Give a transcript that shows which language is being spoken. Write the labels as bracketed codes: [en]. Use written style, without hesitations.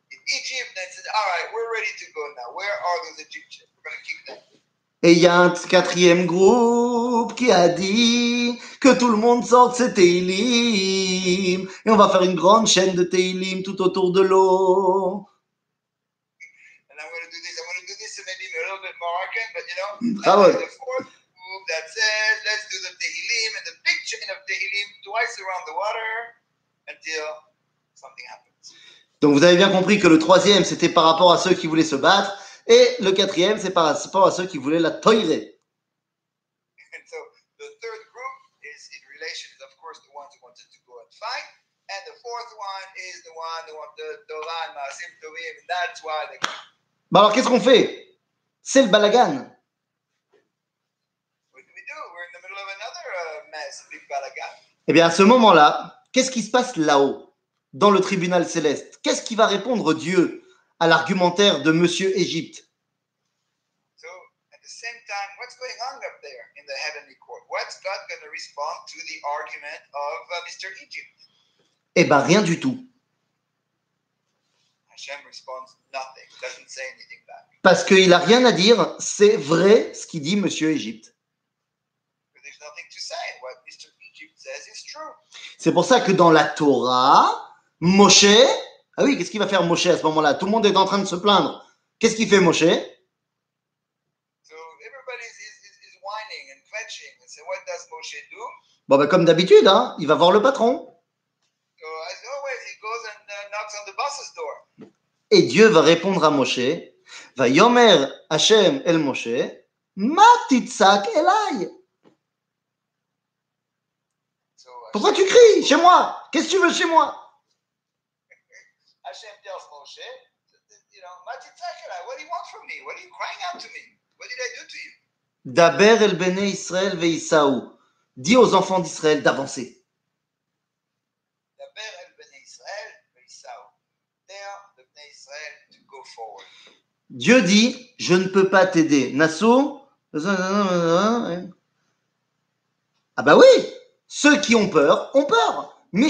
[en] Egypt, they said, all right, we're ready to go now. Where are those Egyptians? We're going to kick them. [fr] Et il y a un quatrième groupe qui a dit que tout le monde sorte ses Tehillim. Et on va faire une grande chaîne de Tehillim tout autour de l'eau. [en] And I'm going to do this. I'm going to do this maybe in a little bit Moroccan, but you know, that was the fourth group that said, let's do the Tehillim and the big chain of Tehillim twice around the water until something happens. [fr] Donc vous avez bien compris que le troisième, c'était par rapport à ceux qui voulaient se battre, et le quatrième, c'est par rapport à ceux qui voulaient la toire. [en] So, the third group is in relation to, of course, the ones who wanted to go and fight, and the fourth one is the one who wanted to go and fight, and that's why they... [fr] Bah alors, qu'est-ce qu'on fait? C'est le balagan. [en] What do we do? We're in the middle of another mess, a big balagan. [fr] Eh bien, à ce moment-là, qu'est-ce qui se passe là-haut? Dans le tribunal céleste, qu'est-ce qui va répondre Dieu à l'argumentaire de Monsieur Égypte? [en] So, at the same time, what's going on up there in the heavenly court? What's God going to respond to the argument of Mr. Egypt? [fr] Eh ben, rien du tout. [en] Hashem responds nothing. Doesn't say anything back. [fr] Parce qu'il a rien à dire. C'est vrai ce qu'il dit Monsieur Égypte. [en] But there's nothing to say. What Mr. Egypt says is true. [fr] C'est pour ça que dans la Torah, Moshe, ah oui, qu'est-ce qu'il va faire Moshe à ce moment-là? Tout le monde est en train de se plaindre. Qu'est-ce qu'il fait Moshe? [en] So everybody is whining and fetching. And so what does Moshe do? [fr] Bon, ben comme d'habitude, hein, il va voir le patron. [en] So as always, he goes and knocks on the boss's door. [fr] Et Dieu va répondre à Moshe. [he] Va yomer Hashem el Moshe, ma titzak elai. [fr] Pourquoi tu cries chez moi? Qu'est-ce que tu veux chez moi? [en] Hashem tells Moshe, what do you want from me? What are you crying out to me? What did I do to you? [he] Daber el bene Israël ve Isaou. [fr] Dis aux enfants d'Israël d'avancer. [he] Daber el bene Israël ve Isaou. [en] Tell the bene Israël to go forward. [fr] Dieu dit, je ne peux pas t'aider. Nassou. Ah bah oui, ceux qui ont peur, ont peur.